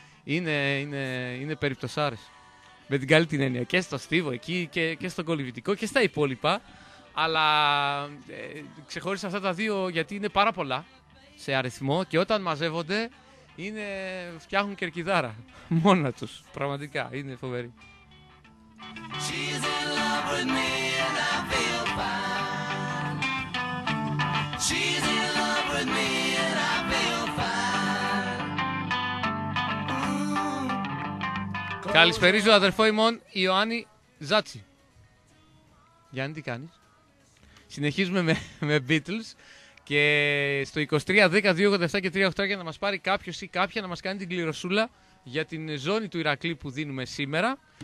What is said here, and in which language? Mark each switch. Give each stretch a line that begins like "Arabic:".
Greek: Είναι περιπτωσάρες. Με την καλή την έννοια. Και στο Στίβο εκεί και στο Κολυμβητικό και στα υπόλοιπα. Αλλά ξεχώρισα αυτά τα δύο γιατί είναι πάρα πολλά σε αριθμό και όταν μαζεύονται φτιάχνουν κερκιδάρα μόνα τους. Πραγματικά είναι φοβεροί.
English: She's in love with me and I feel fine. She's in love with me and I feel fine.
Greek: Καλησπέριζω αδερφό ημών Ιωάννη Ζάτσι. Γιάννη τι κάνεις? Συνεχίζουμε με Beatles και στο 23 10 287 και 38 για να μας πάρει κάποιος ή κάποια να μας κάνει την κληροσούλα για την ζώνη του Ηρακλή που δίνουμε σήμερα.